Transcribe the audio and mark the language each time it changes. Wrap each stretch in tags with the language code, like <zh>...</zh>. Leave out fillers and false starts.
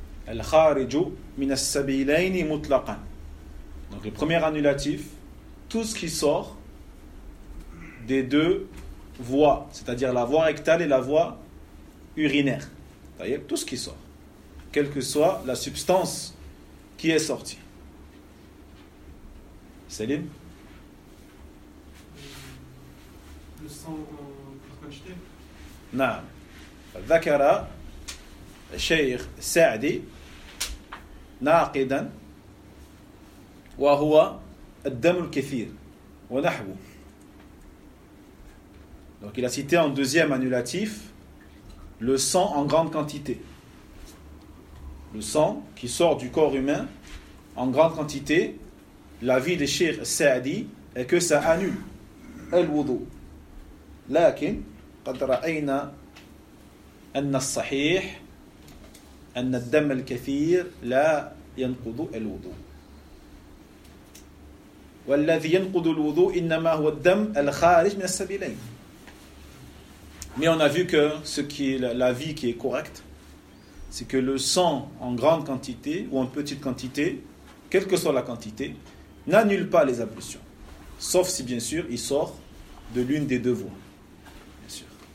<ar>الخارج من السبيلين مطلقا.</ar> <fr>Donc le premier annulatif, tout ce qui sort des deux voies, c'est-à-dire la voie rectale et la voie urinaire. D'ailleurs, tout ce qui sort, quelle que soit la substance qui est sortie. Céline ? Le sang en quantité ?</fr> <ar>Naam.</ar> <en>Dhakara Sheikh Sa'di</en> <ar>ناقدا وهو الدم الكثير ونحوه.</ar> <fr>Donc il a cité en deuxième annulatif le sang en grande quantité. Le sang qui sort du corps humain en grande quantité, l'avis de Cheikh Sa'di est que ça annule الوضوء.</fr> <ar>لكن قد رأينا أن الصحيح أن الدم الكثير لا ينقض الوضوء. والذي ينقض الوضوء إنما هو الدم الخارج من السبيلين.</ar> <fr>Mais on a vu que ce qui est la vie qui est correcte, c'est que le sang en grande quantité ou en petite quantité, quelle que soit la quantité, n'annule pas les ablutions. Sauf si bien sûr il sort de l'une des deux voies. Bien sûr.</fr>